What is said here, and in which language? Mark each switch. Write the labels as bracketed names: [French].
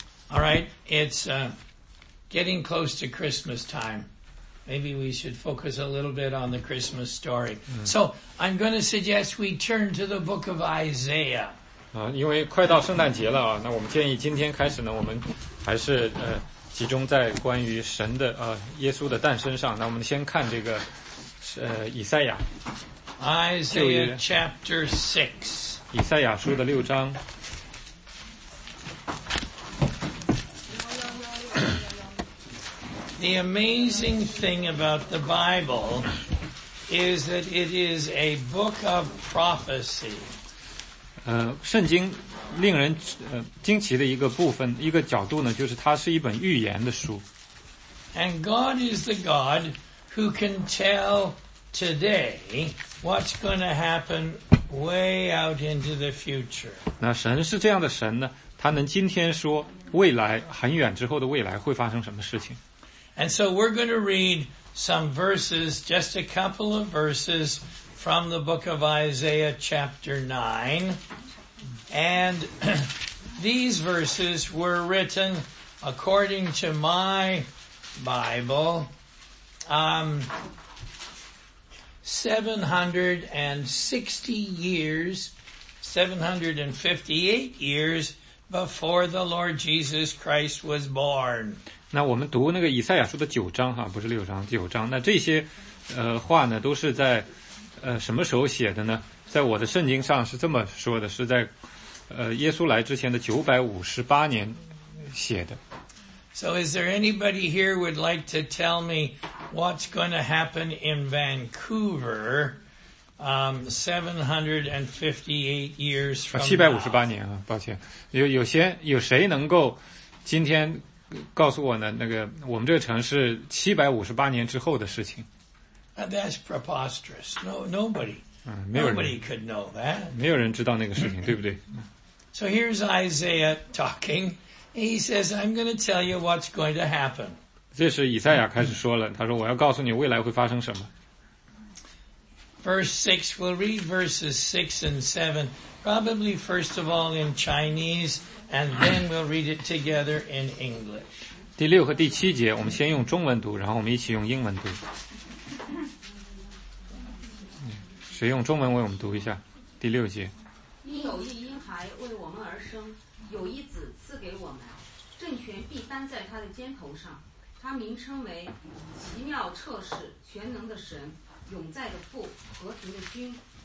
[English] All right, it's getting close to Christmas time. Maybe we should focus a little bit on the Christmas story. So I'm going to suggest we turn to the book of Isaiah. [Chinese] 因为快到圣诞节了那我们建议今天开始呢我们还是集中在关于神的耶稣的诞生上那我们先看这个以赛亚 [English] Isaiah chapter 6 [Chinese] 以赛亚书的六章 [English] The amazing thing about the Bible is that it is a book of prophecy [Chinese] 圣经令人惊奇的一个部分一个角度呢就是它是一本预言的书 [English] And God is the God who can tell today what's going to happen way out into the future [Chinese] 那神是这样的神呢他能今天说未来很远之后的未来会发生什么事情 [English] And so we're going to read some verses just a couple of versesFrom the book of Isaiah chapter 9. And these verses were written according to my Bible, 758 years before the Lord Jesus Christ was born. [Chinese] 那我们读那个以赛亚书的九章哈不是六章九章那这些话呢都是在什么时候写的呢在我的圣经上是这么说的是在耶稣来之前的958年写的。 [English] So is there anybody here would like to tell me what's going to happen in Vancouver, 758 years from now? [Chinese] 758年啊抱歉。有谁能够今天告诉我呢那个我们这个城市758年之后的事情。 [English] That's preposterous. No, nobody. Nobody could know that. [Chinese] 没有人知道那个事情，对不对？ [English] So here's Isaiah talking, And he says, I'm going to tell you what's going to happen. [Chinese] 这是以赛亚开始说了，他说我要告诉你未来会发生什么。 [English] Verse 6, we'll read verses 6 and 7, probably first of all in Chinese, and then we'll read it together in English. [Chinese] 第六和第七节我们先用中文读，然后我们一起用英文读。谁用中文为我们读一下？第六节。因有一婴孩为我们而生，有一子赐给我们，政权必担在他的肩头上，他名称为奇妙测试全能的神，永在的父，和平的君。